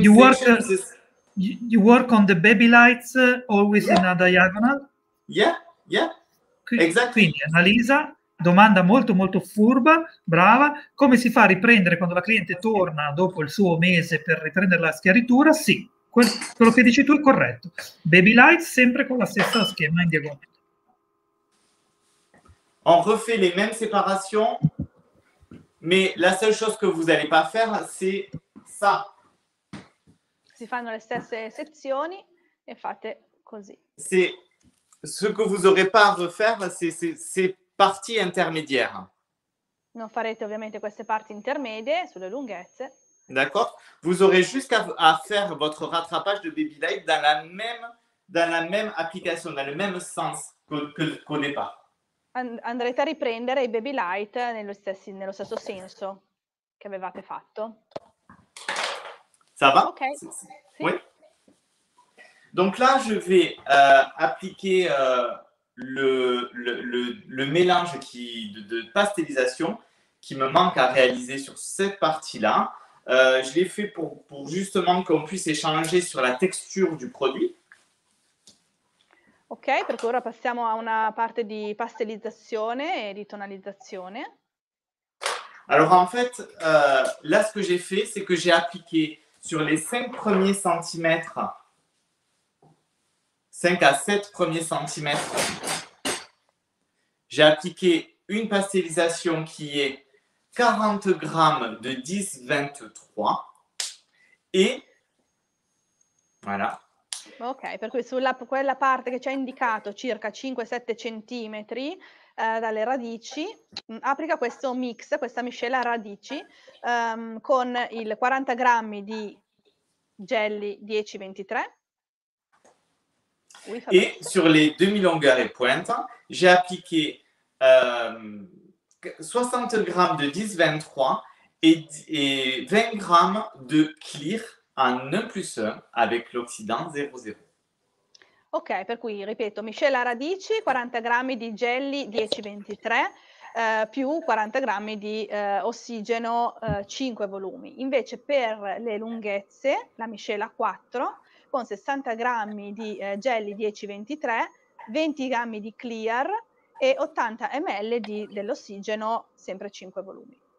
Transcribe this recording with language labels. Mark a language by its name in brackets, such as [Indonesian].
[English] You work on the baby lights always, yeah. In a diagonal? Yeah. [Italian] Quindi Annalisa, domanda molto molto furba, brava, come si fa a riprendere quando la cliente torna dopo il suo mese per riprendere la schiaritura? Sì, quello che dici tu è corretto. Baby light sempre con la stessa schema in diagonale. [French] On refait les mêmes séparations, mais la seule chose que vous allez pas faire, c'est ça. [Italian] Si fanno le stesse sezioni e fate così. [French] C'est ce que vous aurez pas à refaire, c'est parti intermédiaire. [Italian] Non farete ovviamente queste parti intermedie sulle lunghezze. [French] D'accord. Vous aurez juste à faire votre rattrapage de baby light dans la même application, dans le même sens qu'au départ. [Italian] Andrete a riprendere i baby light nello stesso senso che avevate fatto. [French] Ça va? [Italian] Ok. Sì. [French] Oui. Donc là, je vais appliquer le mélange de pastellisation qui me manque à réaliser sur cette partie-là. Je l'ai fait pour justement qu'on puisse échanger sur la texture du produit. [Italian] Ok, per cui ora passiamo a una parte di pastellizzazione e di tonalizzazione. [French] Allora, en fait, là ce que j'ai fait, c'est que j'ai appliqué sur les 5 premiers centimètres, 5 à 7 premiers centimètres, j'ai appliqué une pastellisation qui est 40 grammes de 10-23 et voilà. [Italian] Ok, per cui sulla quella parte che ci ha indicato circa 5-7 centimetri dalle radici, applica questo mix, questa miscela radici con il 40 grammi di jelly 10-23. [French] E sur les demi longueurs et pointes, j'ai appliqué 60 [Italian] grammi di 10-23 e 20 grammi di clear [French] a 1 plus 1 avec l'oxydant 00. [Italian] Ok, per cui ripeto, miscela radici, 40 grammi di jelly 10-23 più 40 grammi di ossigeno 5 volumi. Invece per le lunghezze, la miscela 4 con 60 grammi di jelly 10-23, 20 grammi di clear e 80 ml dell'ossigeno sempre 5 volumi.